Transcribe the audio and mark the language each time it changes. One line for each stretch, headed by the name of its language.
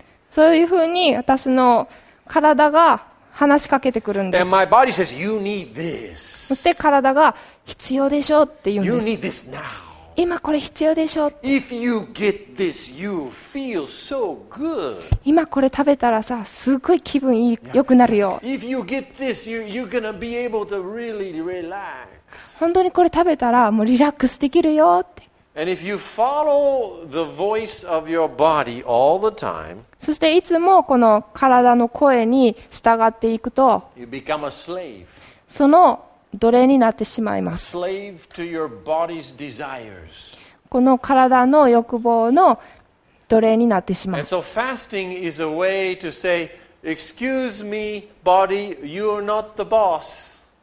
Japanese: そういうふうに私の体が話しかけてくるんです。
English: And my body says, you need this.
Japanese: そして体が必要でしょうって言うんです。
English: You need this now.
Japanese: 今これ必要でしょう。
English: If you get this, you feel so good.
Japanese: 今これ食べたらさ、すごい気分いい、良くなるよ。
English: If you get this, you're gonna be able to really relax.
Japanese: 本当にこれ食べたらもうリラックスできるよって。
English: And if you follow the voice of your body all the time,
Japanese: そしていつもこの体の声に従っていくと、
English: you become a slave.
Japanese: その奴隷になってしまいます。
English: A slave to your body's desires.
Japanese: この体の欲望の奴隷になってしまう。
English: And so fasting is a way to say, excuse me, body, you are not the boss.